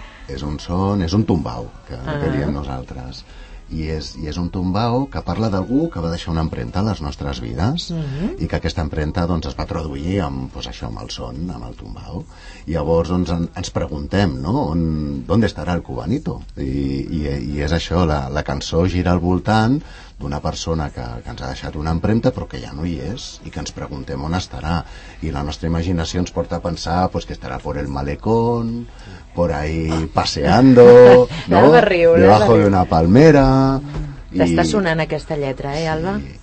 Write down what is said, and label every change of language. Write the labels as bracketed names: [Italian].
[Catalan] És un son, és un tombau, que diem nosaltres. I és un tombau que parla d'algú que va deixar una empremta a les nostres vides i que aquesta empremta doncs, es va traduir amb el son, amb el tombau. Llavors doncs, ens preguntem, no?, on estarà el Cubanito? I és això, la cançó gira al voltant d'una persona que ens ha deixat una empremta però que ja no hi és i que ens preguntem on estarà. I la nostra imaginació ens porta a pensar pues, que estarà [Spanish] por el malecón, por ahí paseando, [Catalan] ¿no? [Spanish] Debajo de una palmera. [Catalan] T'està sonant aquesta lletra, Alba?